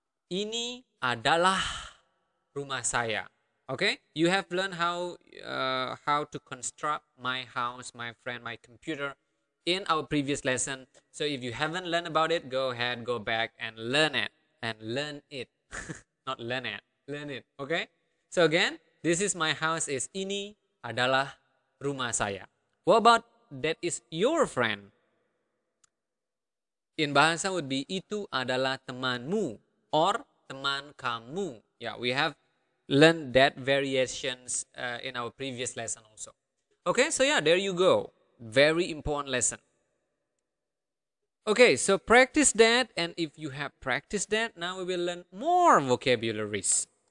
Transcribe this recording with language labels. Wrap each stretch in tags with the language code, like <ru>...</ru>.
<id>Ini adalah rumah saya.</id> <en>Okay, you have learned how to construct my house, my friend, my computer in our previous lesson. So if you haven't learned about it, go ahead, go back and learn it. And learn it. Not learn it. Learn it. Okay? So again, this is my house is</en> <id>ini adalah rumah saya.</id> <en>What about that is your friend? In Bahasa would be</en> <id>itu adalah temanmu</id> <en>or</en> <id>teman kamu.</id> <en>Yeah, we have learn that variations in our previous lesson also. Okay, so yeah, there you go. Very important lesson. Okay, so practice that. And if you have practiced that, now we will learn more vocabularies.</en>